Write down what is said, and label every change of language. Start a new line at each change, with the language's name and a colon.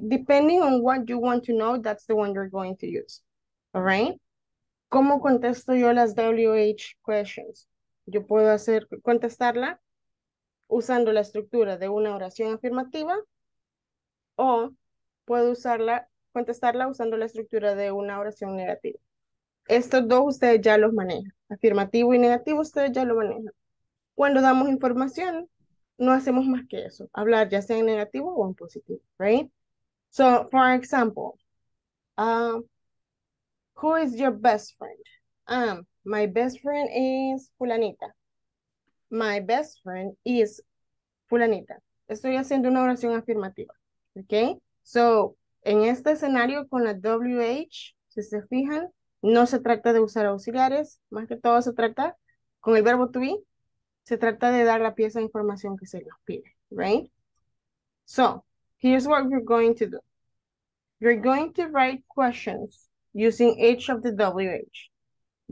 English: Depending on what you want to know, that's the one you're going to use, all right?
Spanish: ¿Cómo contesto yo las WH questions? Yo puedo hacer contestarla usando la estructura de una oración afirmativa. O puedo usarla, contestarla usando la estructura de una oración negativa. Estos dos ustedes ya los manejan. Afirmativo y negativo ustedes ya lo manejan. Cuando damos información, no hacemos más que eso, hablar ya sea en negativo o en positivo, right?
English: So, for example, who is your best friend? My best friend is fulanita. My best friend is fulanita.
Spanish: Estoy haciendo una oración afirmativa, okay? So, en este escenario con la WH, si se fijan, no se trata de usar auxiliares, más que todo se trata con el verbo to be, se trata de dar la pieza de información que se nos pide, right?
English: So, here's what you're going to do. You're going to write questions using each of the WH.